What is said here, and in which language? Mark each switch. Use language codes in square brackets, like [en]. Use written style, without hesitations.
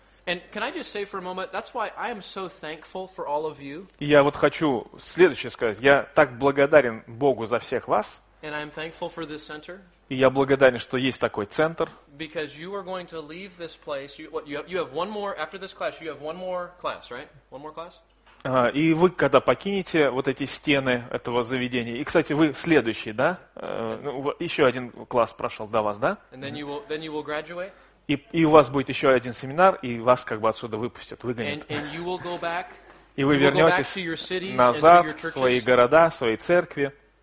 [en] And can I just say for a moment, that's why I am so thankful for all of you. [ru] Я вот хочу следующее сказать. Я так благодарен Богу за всех вас. [en] And I am thankful for this center. [ru] И я благодарен, что есть такой центр. [en] Because you are going to leave this place. You have one more, after this class, you have one more class, right? One more class? [ru] И вы, когда покинете вот эти стены этого заведения, и, кстати, вы следующий, да? Еще один класс прошел до вас, да? И у вас будет еще один семинар, и вас как бы отсюда выпустят, выгонят. И вы вернетесь назад в свои города, в свои церкви.